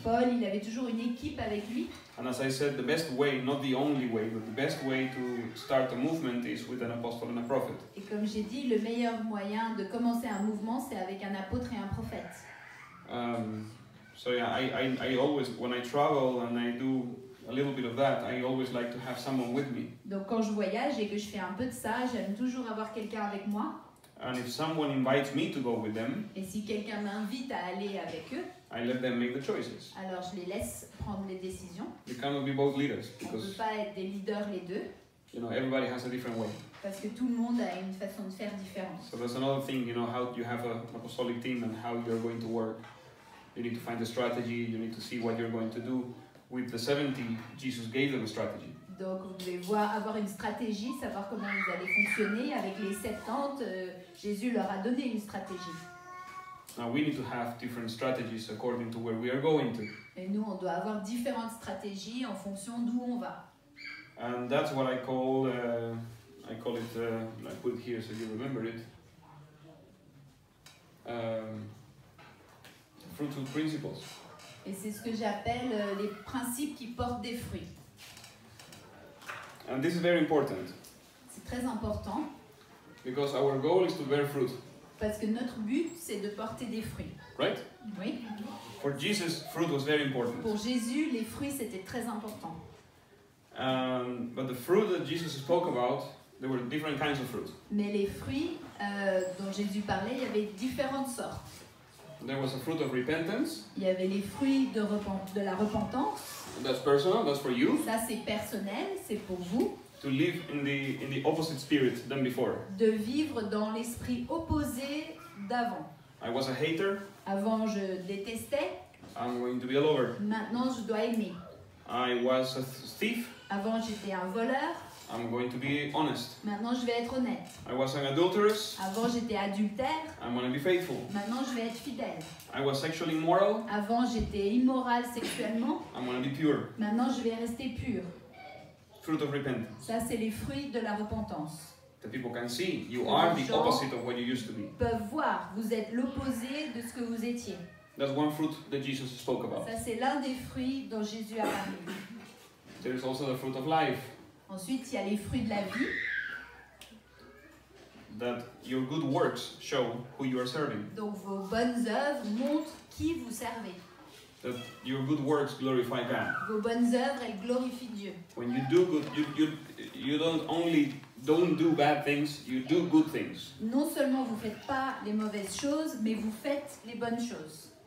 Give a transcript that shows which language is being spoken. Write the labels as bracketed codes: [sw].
[fr] Paul, il avait toujours une équipe avec lui. [en] And as I said, the best way, not the only way, but the best way to start a movement is with an apostle and a prophet. [fr] Et comme j'ai dit, le meilleur moyen de commencer un mouvement, c'est avec un apôtre et un prophète. [en] So yeah, I always, when I travel and I do a little bit of that, I always like to have someone with me. [fr] Donc quand je voyage et que je fais un peu de ça, j'aime toujours avoir quelqu'un avec moi. [en] And if someone invites me to go with them, [fr] et si quelqu'un m'invite à aller avec eux, [en] I let them make the choices. [fr] Alors je les laisse prendre les décisions. [en] You cannot be both leaders. [fr] On ne peut pas être des leaders les deux. [en] You know, everybody has a different way. [fr] Parce que tout le monde a une façon de faire différente. [en] So that's another thing, you know, how you have an apostolic team and how you're going to work. You need to find a strategy, you need to see what you're going to do. With the 70, Jesus gave them a strategy. [fr] Donc vous devez voir, avoir une stratégie, savoir comment vous allez fonctionner. Avec les 70, Jésus leur a donné une stratégie. [en] Now we need to have different strategies according to where we are going to. [fr] Et nous, on doit avoir différentes stratégies en fonction d'où on va. [en] And that's what I call it, I put it here so you remember it. Fruitful principles. [fr] Et c'est ce que j'appelle les principes qui portent des fruits. [en] And this is very important. [fr] C'est très important. [en] Because our goal is to bear fruit. [fr] Parce que notre but c'est de porter des fruits. [en] Right? [fr] Oui. [en] For Jesus, fruit was very important. [fr] Pour Jésus, les fruits c'était très important. [en] But the fruit that Jesus spoke about, there were different kinds of fruit. [fr] Mais les fruits dont Jésus parlait, il y avait différentes sortes. [en] There was a fruit of repentance. [fr] Il y avait les fruits de la repentance. [en] That's personal. That's for you. [fr] Ça c'est personnel, c'est pour vous. [en] To live in the opposite spirit than before. [fr] De vivre dans l'esprit opposé d'avant. [en] I was a hater. [fr] Avant je détestais. [en] I'm going to be a lover. [fr] Maintenant je dois aimer. [en] I was a thief. [fr] Avant j'étais un voleur. [en] I'm going to be honest. [fr] Maintenant, je vais être honnête. [en] I was an adulteress. [fr] Avant, j'étais adultère. [en] I'm going to be faithful. [fr] Maintenant, je vais être fidèle. [en] I was sexually immoral. [fr] Avant, j'étais immoral sexuellement. [en] I'm going to be pure. [fr] Maintenant, je vais rester pur. [en] Fruit of repentance. [fr] Ça, c'est les fruits de la repentance. [en] The people can see you are the opposite of what you used to be. [fr] Les gens peuvent voir, vous êtes l'opposé de ce que vous étiez. [en] That's one fruit that Jesus spoke about. [fr] Ça, c'est l'un des fruits dont Jésus a parlé. [en] There is also the fruit of life. [fr] Ensuite, il y a les fruits de la vie. [en] That your good works show who you are serving. [fr] Donc vos bonnes œuvres montrent qui vous servez. [en] that your good works glorify God. [fr] Vos bonnes œuvres, elles glorifient Dieu. [en] When you do good, you don't only don't do bad things, you do good things. [fr] Non seulement vous faites pas les mauvaises choses, mais vous faites les bonnes choses.